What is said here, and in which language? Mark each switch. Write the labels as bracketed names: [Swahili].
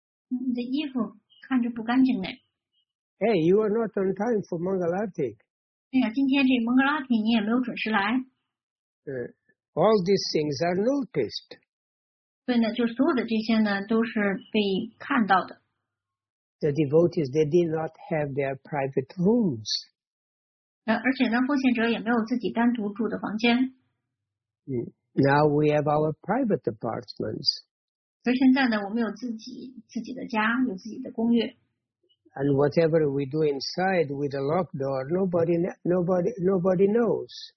[Chinese] 你的衣服看着不干净呢。 [English] Hey, you are not on time for Mangalarti. [Chinese] 哎呀，今天这 Mangalarti 你也没有准时来。 [English] All these things are noticed. [Chinese] 对呢，就所有的这些呢，都是被看到的。 [English] The devotees, they did not have their private rooms. [Chinese] 而且呢，奉献者也没有自己单独住的房间。 [English] Now we have our private apartments. [Chinese] 所以现在呢，我们有自己的家，有自己的公寓。 [English] And whatever we do inside with a locked door, nobody knows.